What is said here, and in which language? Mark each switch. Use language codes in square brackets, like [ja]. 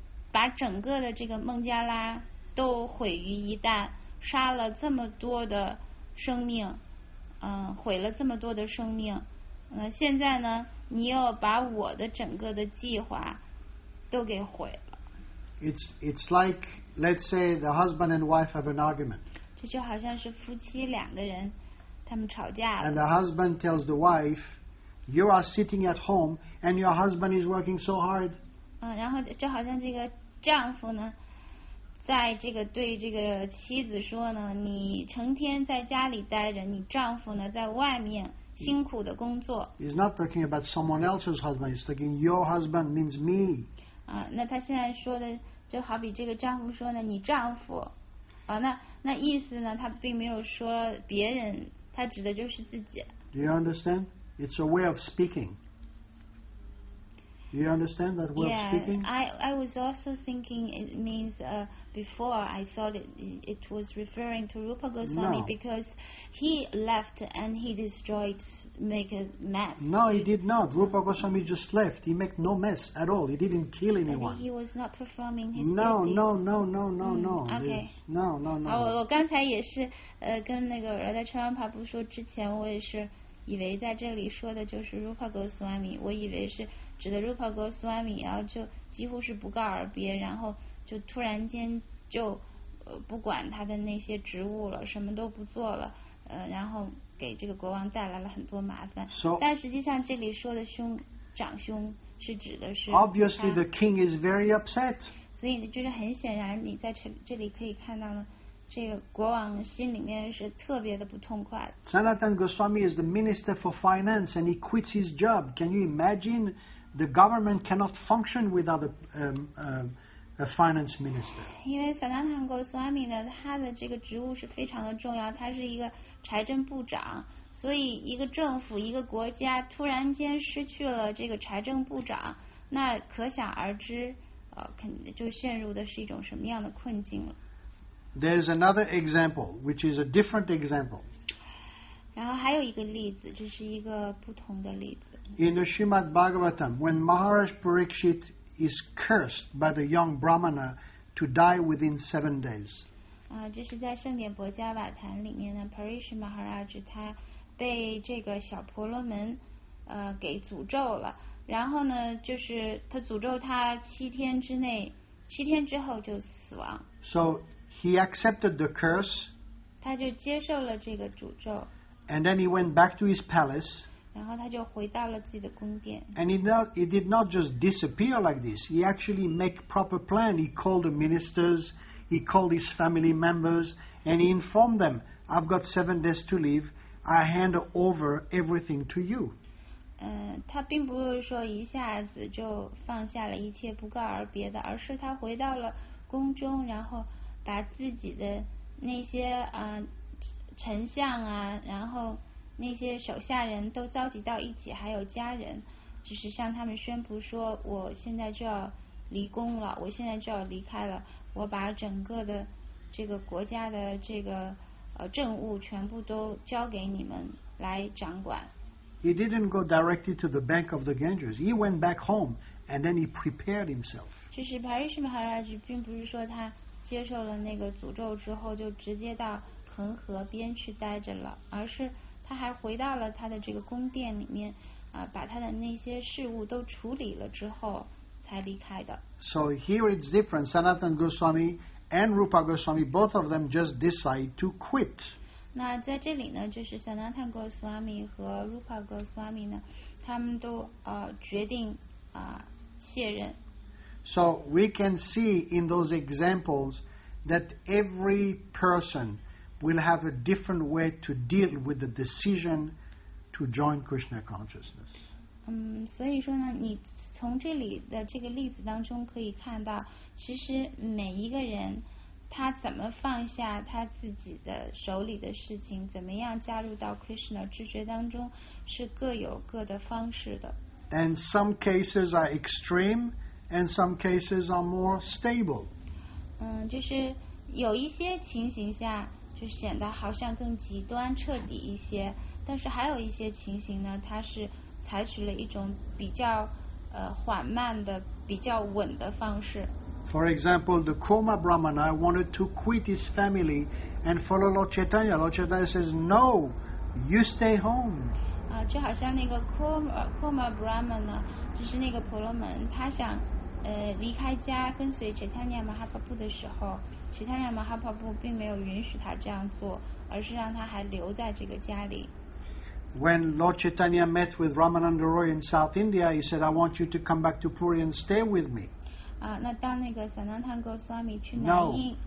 [zh] 把整个的这个孟加拉都毁于一旦，杀了这么多的生命，毁了这么多的生命，现在呢你又把我的整个的计划都给毁了。 [en] It's like let's say the husband and wife have an argument， [zh] 这就好像是夫妻两个人他们吵架了。 [en] And the husband tells the wife you are sitting at home and your husband is working so hard。 [zh] 然后就好像这个丈夫呢在这个对这个妻子说呢，你成天在家里待着，你丈夫呢在外面辛苦的工作。 [en] He's not talking about someone else's husband. He's talking your husband means me. [zh] 那他现在说的就好比这个丈夫说呢，你丈夫，那意思呢，他并没有说别人，他指的就是自己。 [en] Do you understand? It's a way of speaking. Do you understand that word yeah, speaking? Yeah, I was also thinking it means before I thought it was referring to Rupa Goswami because he left and he destroyed, make a mess. No, he did not. Rupa Goswami just left. He made no mess at all. He didn't kill anyone. And he was not performing his No. Okay. No. [zh] 我刚才也是跟那个Radha Chandrapabhu说之前我也是以为在这里说的就是 Rupa Goswami， 我以为是指的 Rupa Goswami， 然后就几乎是不告而别，然后就突然间就不管他的那些职务了，什么都不做了，然后给这个国王带来了很多麻烦。 [en] So, [zh] 但实际上这里说的兄长兄是指的是 [en] Obviously the king is very upset。 [zh] 所以就是很显然，你在这里可以看到呢。这个国王心里面是特别的不痛快。 [en] Sanatan Goswami is the minister for finance and he quits his job. Can you imagine the government cannot function without a finance minister? [zh] 因为 Sanatan Goswami 呢，他的这个职务是非常的重要，他是一个财政部长，所以一个政府一个国家突然间失去了这个财政部长，那可想而知，肯定就陷入的是一种什么样的困境了。 [en] There's another example, which is a different example. [zh] 然后还有一个例子，这是一个不同的例子。 [en] In the Srimad Bhagavatam, when Maharaj Parikshit is cursed by the young Brahmana to die within 7 days. [zh] 这是在圣典博迦瓦坛里面的 Parikshit Maharaj 他被这个小婆罗门给诅咒了，然后呢就是他诅咒他七天之后就死亡。 [en] So,He accepted the curse. [zh] 他就接受了这个诅咒。 [en] And then he went back to his palace. [zh] 然后他就回到了自己的宫殿。 [en] And he did not just disappear like this. He actually make proper plan. He called the ministers. He called his family members. And he informed them, I've got 7 days to live. I hand over everything to you. [zh] 他并不是说一下子就放下了一切不告而别的，而是他回到了宫中，然后把自己的那些丞相啊，然后那些手下人都召集到一起，还有家人，就是向他们宣布说，我现在就要离宫了，我现在就要离开了，我把整个的这个国家的这个政务全部都交给你们来掌管。 [en] He didn't go directly to the bank of the Ganges. He went back home and then he prepared himself. [zh] 就是 Parikshit Maharaj 并不是说他接受了那个诅咒之后就直接到恒河边去待着了，而是他还回到了他的这个宫殿里面，把他的那些事物都处理了之后才离开的。 [en] So here it's different. Sanatan Goswami and Rupa Goswami, both of them just decide to quit. [zh] 那在这里呢，就是 Sanatan Goswami 和 Rupa Goswami 呢，他们都决定卸任。 [en] So we can see in those examples that every person will have a different way to deal with the decision to join Krishna consciousness. [zh] 所以说呢，你从这里的这个例子当中可以看到，其实每一个人他怎么放下他自己的手里的事情，怎么样加入到 Krishna 知觉当中，是各有各的方式的。 [en] And some cases are extreme, and some cases are more stable. [zh] 嗯，就是有一些情形下就显得好像更极端、彻底一些，但是还有一些情形呢，它是采取了一种比较缓慢的、比较稳的方式。 [en] For example, the Koma Brahmana wanted to quit his family and follow Lord Chaitanya. Lord Chaitanya says, "No, you stay home." [zh] 啊，就好像那个 Koma Brahmana 就是那个婆罗门，他想离开家跟随 Chaitanya Mahaprabhu 的时候，Chaitanya Mahaprabhu 并没有允许他这样做，而是让他还留在这个家里。 [en] When Lord Chaitanya met with Ramananda Roy in South India, he said, "I want you to come back to Puri and stay with me." [zh] 啊，那当那个 Sanatana Goswami 去南印